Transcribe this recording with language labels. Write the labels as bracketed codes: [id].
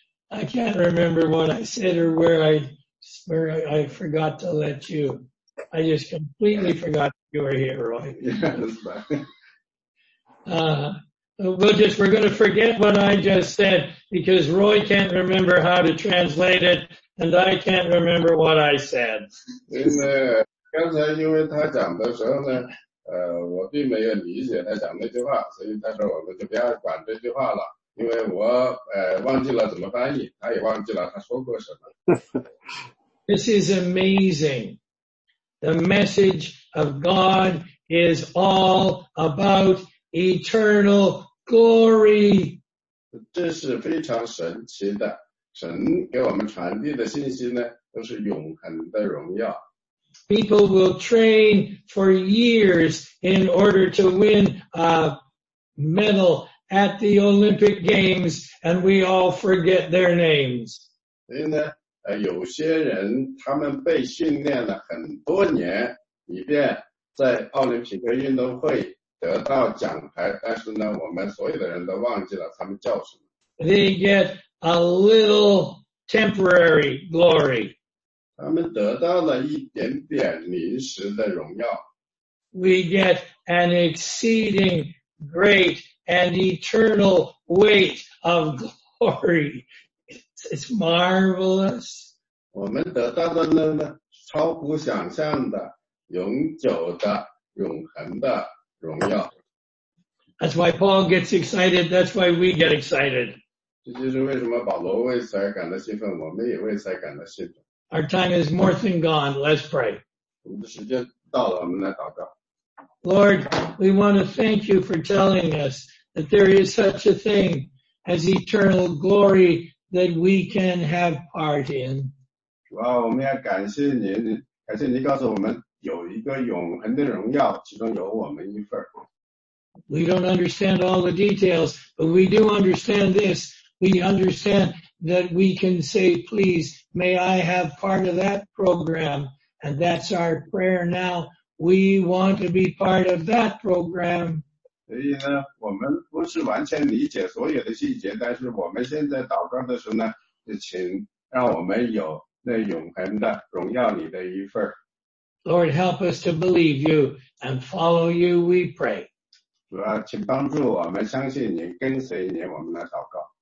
[en] I can't remember what I said or where I forgot to let you. I just completely forgot. You are here, Roy. Yeah, that's fine. we're going to forget what I just said because Roy can't remember how to translate it and I can't remember what I said. [zh] 刚才因为他讲的时候呢，我并没有理解他讲那句话，所以他说我们就不要管这句话了，因为我忘记了怎么翻译，他也忘记了他说过什么。 [en] This is amazing. The message of God is all about eternal glory. [zh] 这是非常神奇的，神给我们传递的信息呢，都是永恒的荣耀。 [en] People will train for years in order to win a medal at the Olympic Games, and we all forget their names. [zh] 所以呢，有些人他们被训练了很多年，以便在奥林匹克运动会得到奖牌，但是呢，我们所有的人都忘记了他们叫什么。 [en] They get a little temporary glory. [zh] 他们得到了一点点临时的荣耀。 [en] We get an exceeding great and eternal weight of glory. It's marvelous. [zh] 我们得到的呢，超乎想象的、永久的、永恒的荣耀。 [en] That's why Paul gets excited. That's why we get excited. [zh] 这就是为什么保罗为此而感到兴奋，我们也为此而感到兴奋。 [en] Our time is more than gone. Let's pray. [zh] 我们的时间到了，我们来祷告。 [en] Lord, we want to thank you for telling us that there is such a thing as eternal glory that we can have part in. [zh] 主啊，我们要感谢您，感谢您告诉我们有一个永恒的荣耀，其中有我们一份。 [en] We don't understand all the details, but we do understand this. We understand that we can say, please,May I have part of that program, and that's our prayer now. We want to be part of that program. [zh] 所以呢，我们不是完全理解所有的细节，但是我们现在祷告的时候呢，就请让我们有那永恒的荣耀里的一份。 [en] Lord, help us to believe you and follow you, we pray. [zh] 主啊，请帮助我们相信您，跟随您，我们来祷告。